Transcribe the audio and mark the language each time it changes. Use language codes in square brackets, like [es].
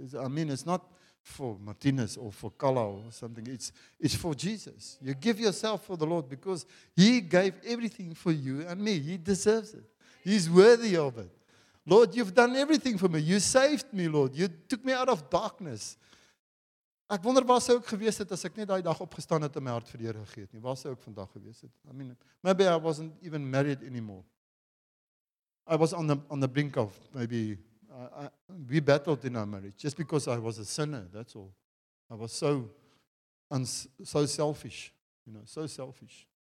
[en] It's not for Martinez or for Kala or something. It's for Jesus. You give yourself for the Lord because He gave everything for you and me. He deserves it. He's worthy of it. Lord, You've done everything for me. You saved me, Lord. You took me out of darkness. [af] Ek wonder waar sou ek gewees het as ek net daai dag opgestaan het en my hart vir die Here gegee het nie. Waar sou ek vandag gewees het? [en] Maybe I wasn't even married anymore. I was on the brink of maybe we battled in our marriage just because I was a sinner, that's all. I was so selfish, you know, so selfish.